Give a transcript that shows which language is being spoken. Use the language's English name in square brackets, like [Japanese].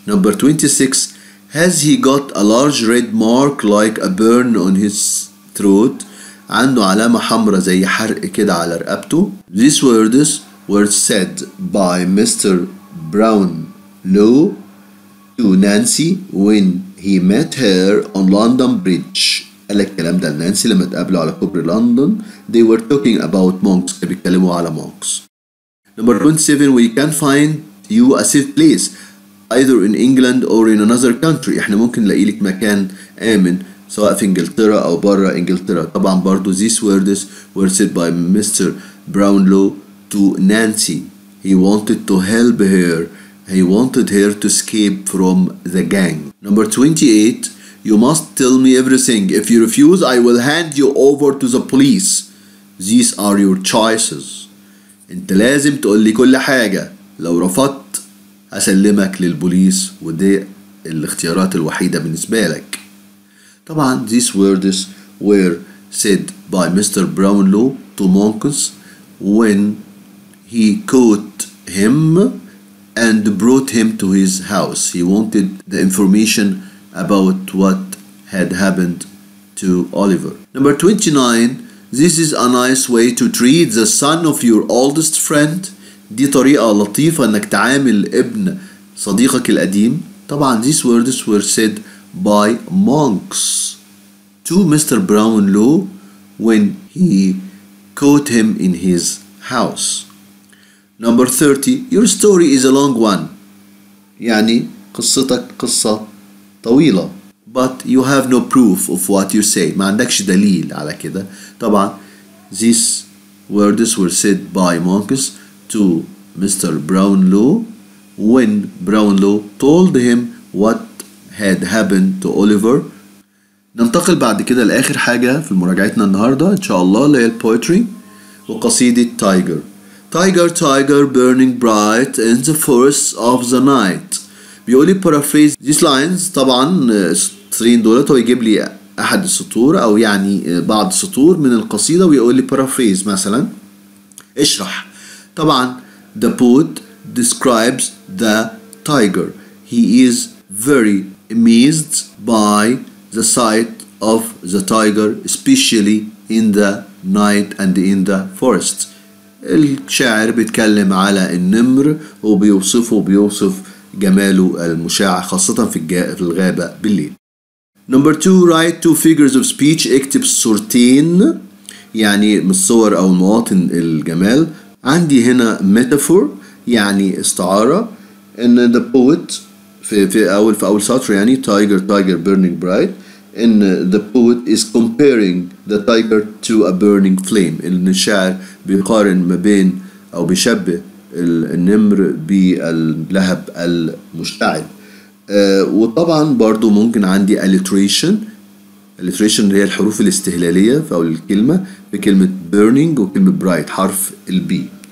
[English] Number 26, has he got a large red mark like a burn on his throat? [Arabic] عنده علامة حمراء زي حرق كده على رقبته. [English] These words were said by Mr. Brownlow to Nancy when he met her on London Bridge. [Arabic] قال الكلام ده لنانسي لما تقابلوا على كوبري لندن. [English] They were talking about monks. [Arabic] بيتكلموا على [English] monks. Number 27, we can find you a safe place either in England or in another country. [Arabic] احنا ممكن نلاقي لك مكان آمن سواء في انجلترا او برا انجلترا. طبعا برضو [English] these words were said by Mr. Brownlow to Nancy. He wanted to help her. He wanted her to escape from the gang. Number 28, you must tell me everything. If you refuse, I will hand you over to the police. These are your choices. [Arabic] انت لازم تقول لي كل حاجة. لو رفضت هسلمك للبوليس ودي الاختيارات الوحيدة بالنسبة لك. طبعا [English] these words were said by Mr. Brownlow to Monks when he caught him and brought him to his house. He wanted the information about what had happened to Oliver. Number 29, this is a nice way to treat the son of your oldest friend. [Arabic] دي طريقة لطيفة انك تعامل ابن صديقك القديم. طبعا [English] these words were said by Monks to Mr. Brownlow when he caught him in his house. Number 30, your story is a long one. [Arabic] يعني قصتك قصة طويلة. [English] But you have no proof of what you say. [Arabic] ما عندكش دليل على كده. طبعا [English] these words were said by Monks to Mr. Brownlow when Brownlow told him what had happened to Oliver. [Arabic] ننتقل بعد كده لآخر حاجة في مراجعتنا النهاردة إن شاء الله اللي هي البويتري وقصيدة تايجر. [English] Tiger, tiger, burning bright in the forests of the night. [Arabic] بيقولي [English] paraphrase these lines. [Arabic] طبعا سطرين دولت ويجيب لي أحد السطور أو يعني بعض سطور من القصيدة ويقولي paraphrase مثلا اشرح. طبعا [English] the poet describes the tiger. He is very amazed by the sight of the tiger, especially in the night and in the forest. [Arabic] الشاعر بيتكلم على النمر وبيوصفه وبيوصف جماله المشاع خاصة في الغابة بالليل. [English] Number 2, write two figures of speech. [Arabic] اكتب صورتين يعني من الصور أو المواطن الجمال. عندي هنا metaphor يعني استعارة. إن [English] the poet [Arabic] في أول سطر يعني [English] tiger tiger burning bright. [Arabic] إن [English] the poet is comparing the tiger to a burning flame. [Arabic] إن الشاعر بيقارن ما بين أو بيشبه النمر باللهب المشتعل. وطبعا برضو ممكن عندي alliteration. Alliteration هي الحروف الاستهلالية في أول الكلمة بكلمة burning وكلمة bright حرف البي.